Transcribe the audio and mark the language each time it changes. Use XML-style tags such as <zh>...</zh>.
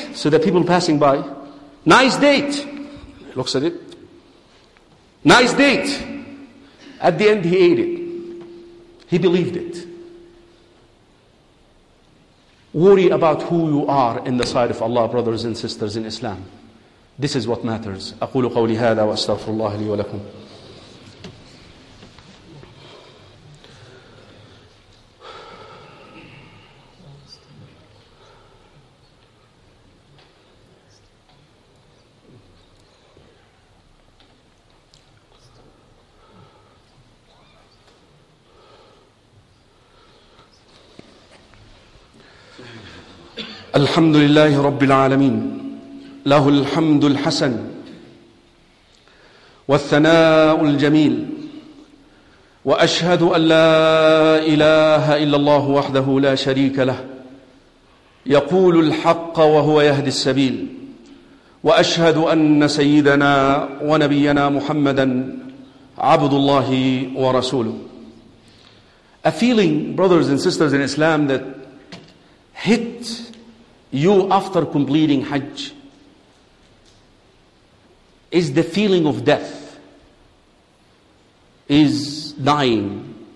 <en>So the people passing by, nice date. Looks at it. Nice date. At the end, he ate it. He believed it. Worry about who you are in the sight of Allah, brothers and sisters in Islam. This is what matters.</en> <ar>أقول قولي هذا وأستغفر الله لي ولكم. الحمد لله رب العالمين له الحمد الحسن والثناء الجميل وأشهد أن لا إله إلا الله وحده لا شريك له يقول الحق وهو يهدي السبيل وأشهد أن سيدنا ونبينا محمدًا عبد الله ورسوله.</ar> <en>A feeling, brothers and sisters in Islam, that hit you after completing Hajj is the feeling of death, is dying.</en>